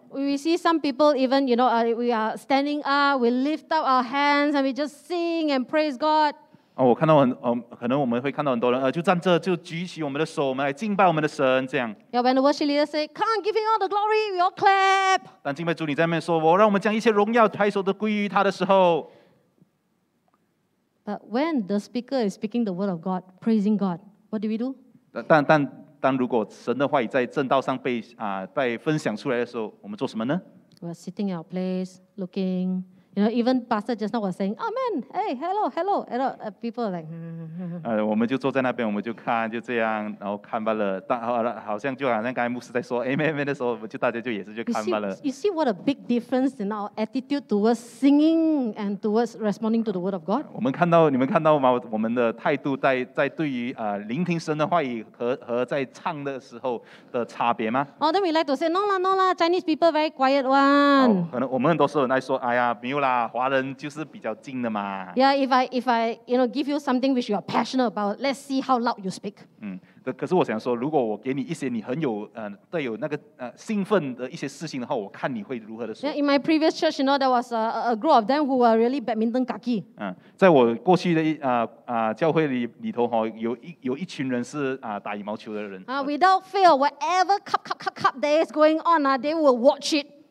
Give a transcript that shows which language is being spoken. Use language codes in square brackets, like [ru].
[en] We see some people even, you know, we are standing up, we lift up our hands and we just sing and praise God. [zh] 我看到很可能我们会看到很多人就站着就举起我们的手，我们来敬拜我们的神这样。 [en] Yeah, when the worship leader say, "Come, give him all the glory," we all clap. [zh] 当敬拜主你在那边说，我让我们将一切荣耀抬手都归于他的时候。 [en] But when the speaker is speaking the word of God, praising God. What do we do? [zh] 但如果神的话语在正道上被分享出来的时候，我们做什么呢 [en] ？We're sitting in our place, looking. You know, even Pastor just now was saying, "Amen, hey, hello, hello." And people are like, [zh] 我们就坐在那边，我们就看，就这样，然后看罢了。但好像就好像刚才牧师在说 "Amen, Amen" 的时候，就大家就也是就看罢了。 [en] You see what a big difference in our attitude towards singing and towards responding to the word of God? [zh] 我们看到你们看到吗？我们的态度在对于聆听神的话语和在唱的时候的差别吗 [en] ？Oh, then we like to say, "No, no, no, Chinese people very quiet one." [zh] 可能我们很多时候很爱说，哎呀。没有啦，华人就是比较静的嘛。 [en] Yeah, if I, you know, give you something which you are passionate about, let's see how loud you speak. [zh] 可是我想说，如果我给你一些你很有带有那个兴奋的一些事情的话，我看你会如何的说。 [en] Yeah, in my previous church, you know, there was a group of them who were really badminton kaki. [zh] 在我过去的教会里头哈，有一群人是打羽毛球的人。 [en] Without fail, whatever cup there is going on, they will watch it.